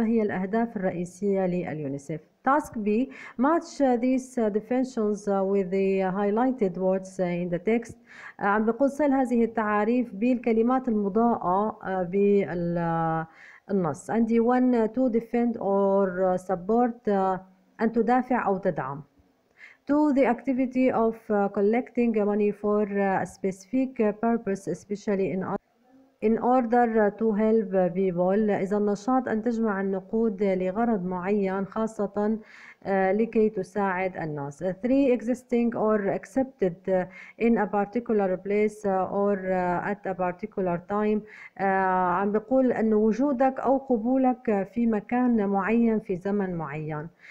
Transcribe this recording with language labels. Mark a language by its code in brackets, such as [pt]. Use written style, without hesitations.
[ar] ما هي الأهداف الرئيسية لليونيسف؟ [en] Task B, match these definitions with the highlighted words in the text. [ar] عم بقول سل هذه التعاريف بالكلمات المضاءة بالنص. [en] And you want to defend or support, [ar] أن تدافع أو تدعم. [en] To the activity of collecting money for a specific purpose, especially in order to help people. [ar] إذا النشاط أن تجمع النقود لغرض معين, خاصة لكي تساعد الناس. [en] Three, existing or accepted in a particular place or at a particular time. [ar] عم بيقول أن وجودك أو قبولك في مكان معين في زمن معين.